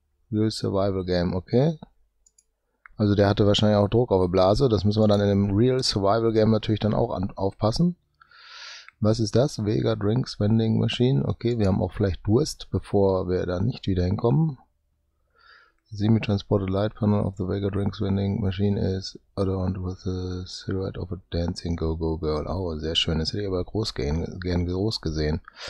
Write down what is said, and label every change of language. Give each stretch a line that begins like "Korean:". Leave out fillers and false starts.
English: Real Survival Game, okay.
German: Also der hatte wahrscheinlich auch Druck auf der Blase. Das müssen wir dann in dem Real Survival Game natürlich dann auch aufpassen. Was ist das? Vega Drinks Vending Machine. Okay, wir haben auch vielleicht Durst, bevor wir da nicht wieder hinkommen.
English: Semi-transported light panel of the Vega Drinks Vending Machine is adorned with the silhouette of a dancing go-go girl.
German: Oh, sehr schön. Das hätte ich aber groß gern groß gesehen.